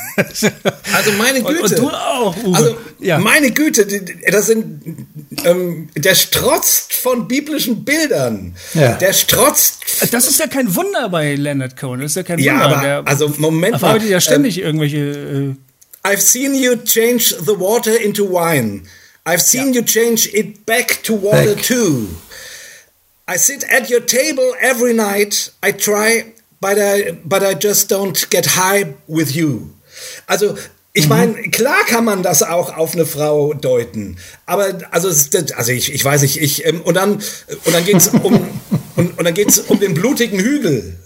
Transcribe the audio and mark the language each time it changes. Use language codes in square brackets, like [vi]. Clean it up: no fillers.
[de] Also meine Güte. Und du auch, Uwe. Also ja. Meine Güte, das sind der strotzt von biblischen Bildern. Ja. Der strotzt. Das ist ja kein Wunder bei Leonard Cohen. Das ist ja kein ja, Wunder. Aber, der also Moment mal. Ja ständig irgendwelche. [en] I've seen you change the water into wine. I've seen you change it back to water too. I sit at your table every night. I try, but I just don't get high with you. [de] Also, ich meine, klar kann man das auch auf eine Frau deuten. Aber also ich weiß nicht, ich und dann geht's um und dann geht's um den blutigen Hügel.